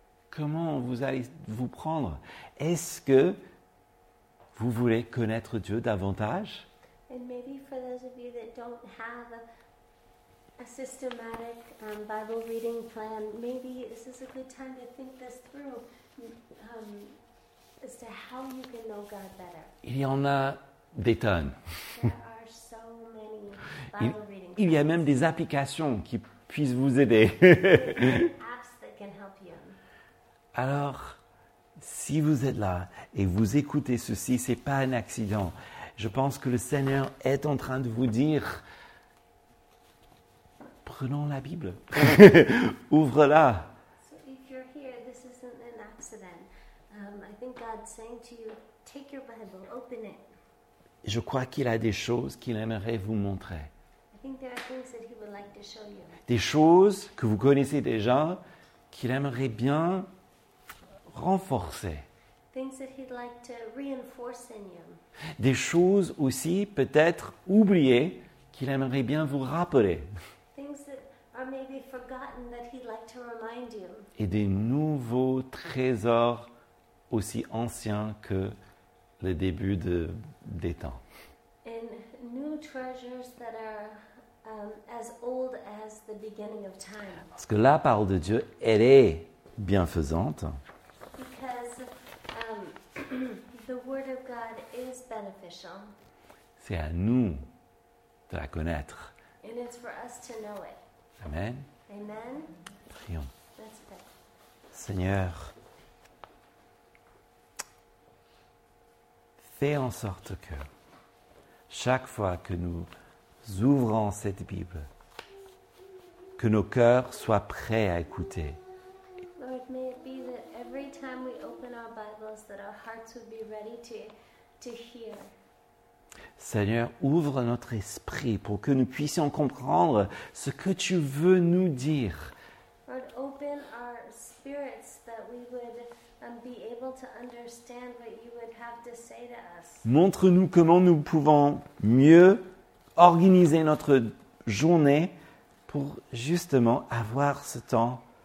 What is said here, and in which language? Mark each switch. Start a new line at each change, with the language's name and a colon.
French: Comment vous allez vous prendre? Est-ce que vous voulez connaître Dieu davantage?
English: And maybe for those of you that don't have a systematic Bible reading plan, maybe this is a good time to think this through as to how you can know God better.
French: Il y en a des tonnes.
English: There are so many Bible reading plans.
French: Il y a même des applications qui puissent vous aider.
English: Apps that can help you.
French: Alors, si vous êtes là et vous écoutez ceci, ce n'est pas un accident. Je pense que le Seigneur est en train de vous dire, prenons la Bible, ouvre-la.
English: So if you're here, this isn't an accident. I think God's saying to you, take your Bible, open it.
French: Je crois qu'il a des choses qu'il aimerait vous montrer.
English: I think there are things that he would like to show you.
French: Des choses que vous connaissez déjà, qu'il aimerait bien renforcer.
English: Things that he'd like to reinforce in you.
French: Des choses aussi, peut-être, oubliées, qu'il aimerait bien vous rappeler.
English: Things that are maybe forgotten that he'd like to remind you.
French: Et des nouveaux trésors aussi anciens que le début des temps.
English: And new treasures that are as old as the beginning of time.
French: Parce que la parole de Dieu, elle est bienfaisante.
English: Because the word of God is beneficial.
French: C'est à nous de la connaître.
English: And it's for us to know it.
French: Amen.
English: Amen.
French: Prions.
English: Let's pray.
French: Seigneur, fais en sorte que chaque fois que nous ouvrons cette Bible, que nos cœurs soient prêts à écouter.
English: Lord, may it be that every time we open our Bibles, that our hearts would be ready to hear.
French: Seigneur, ouvre notre esprit pour que nous puissions comprendre ce que tu veux nous dire.
English: Lord, open our spirits that we would be able to understand what you would have to say to us.
French: Montre-nous comment nous pouvons mieux organiser notre journée pour justement avoir ce temps.